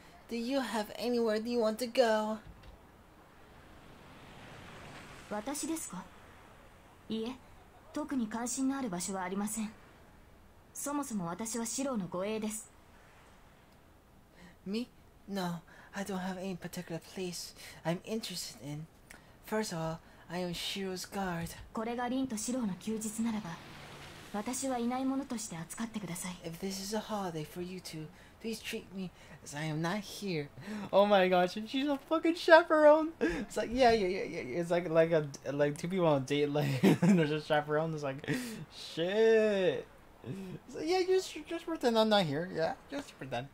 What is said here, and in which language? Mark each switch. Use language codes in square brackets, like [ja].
[en] Do you have anywhere you want to go? [ja] 私ですか? いえ、特に関心のある場所はありません。そもそも私はシローの護衛です。 [en] Me? No, I don't have any particular place I'm interested in. First of all, I am Shiro's guard. [ja] これがリンとシローの休日ならば、私はいないものとして扱ってください。 [en] If this is a holiday for you two, please treat me as I am not here. Oh my gosh, and she's a fucking chaperone. It's like yeah. It's like two people on a date, like there's a chaperone. It's like shit. So like, yeah, just pretend I'm not here. Yeah, just pretend.